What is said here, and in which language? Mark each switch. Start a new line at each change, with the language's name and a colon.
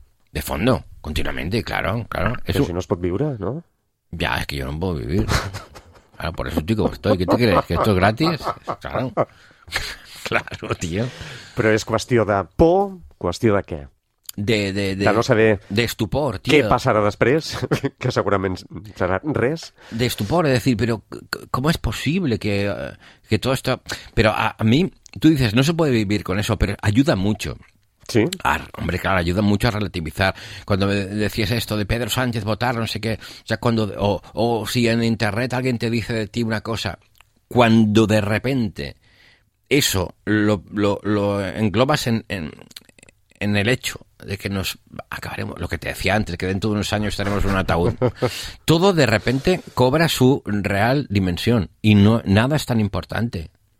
Spanish: De fondo, continuamente, claro. Pero si no es por vivir, ¿no? Ya, es que yo no puedo vivir. Claro, por eso estoy como estoy. ¿Qué te crees? ¿Que esto es gratis? Claro. Claro, tío. Pero es cuestión de por, ¿cuestión de qué? De no saber de estupor, tío.
Catalan: Què passarà després, que segurament serà res.
Spanish: De estupor, es decir, pero ¿cómo es posible que todo esto...? Pero a mí, tú dices, no se puede vivir con eso, pero ayuda mucho. Sí. Hombre, claro, ayuda mucho a relativizar. Cuando me decías esto de Pedro Sánchez votar, no sé qué, o sea, cuando si en Internet alguien te dice de ti una cosa, cuando de repente eso lo englobas en el hecho de que nos acabaremos, lo que te decía antes, que dentro de unos años estaremos en un ataúd, todo de repente cobra su real dimensión y no, nada es tan importante.